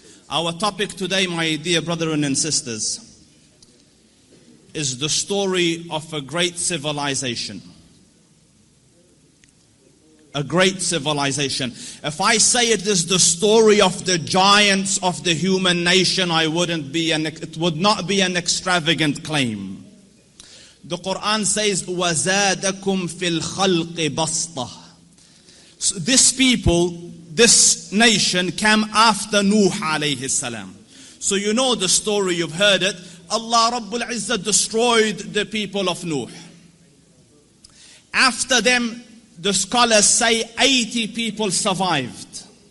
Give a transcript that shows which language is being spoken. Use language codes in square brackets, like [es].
[en] Our topic today, my dear brethren and sisters, is the story of a great civilization. A great civilization. If I say it is the story of the giants of the human nation, it would not be an extravagant claim. The Quran says, [ar] وَزَادَكُمْ فِي الْخَلْقِ بَسْطَةً. [en] So this people, this nation, came after Nuh alayhi salam. So you know the story, you've heard it. Allah Rabbul Izzah destroyed the people of Nuh. After them, the scholars say 80 people survived.